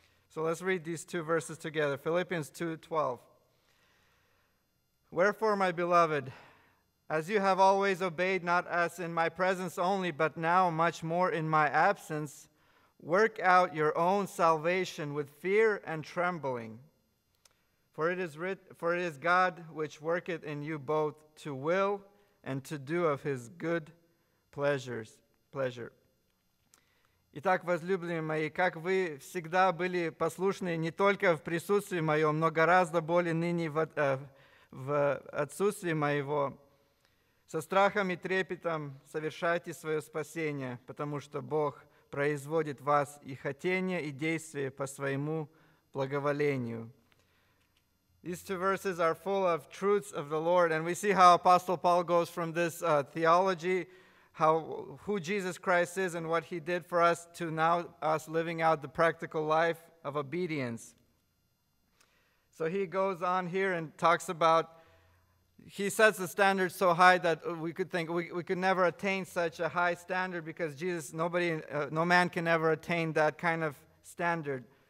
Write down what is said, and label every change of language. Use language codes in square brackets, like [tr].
[en] So let's read these two verses together. Philippians 2:12. Wherefore, my beloved, as you have always obeyed, not as in my presence only, but now much more in my absence, work out your own salvation with fear and trembling. For it is God which worketh in you both to will and to do of his good pleasure. [ru] Итак, возлюбленные мои, как вы всегда были послушны не только в присутствии моем, но гораздо более ныне в отсутствии моего, со страхом и трепетом совершайте свое спасение, потому что Бог производит в вас и хотение, и действие по своему благоволению. [en] These two verses are full of truths of the Lord, and we see how Apostle Paul goes from this theology, who Jesus Christ is and what he did for us, to now us living out the practical life of obedience. So he goes on here and talks about, he sets the standard so high that we could think we could never attain such a high standard, because Jesus, no man can ever attain that kind of standard.